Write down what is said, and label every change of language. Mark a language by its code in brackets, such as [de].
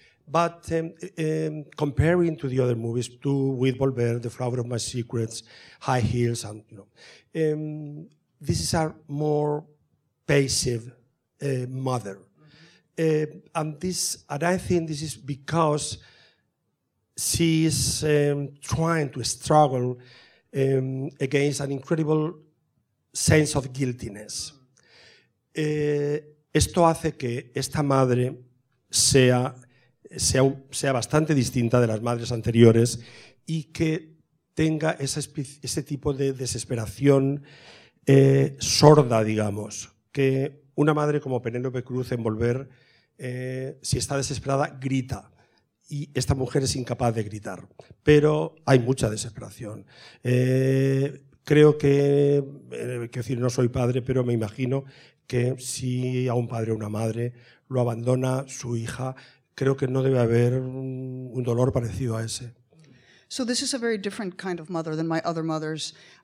[en] But comparing to the other movies, to With Volver, The Flower of My Secrets, High Heels, and this is a more passive mother. I think this is because she is trying to struggle against an incredible sense of guiltiness. [es] Esto hace que esta madre sea bastante distinta de las madres anteriores y que tenga ese tipo de desesperación sorda, digamos, que una madre como Penélope Cruz en Volver, si está desesperada, grita. Y esta mujer es incapaz de gritar. Pero hay mucha desesperación. Creo que, quiero decir, no soy padre, pero me imagino que si a un padre o una madre lo abandona su hija, creo que no debe haber un dolor parecido a ese. [en] So this is a very different kind of mother than my other mothers.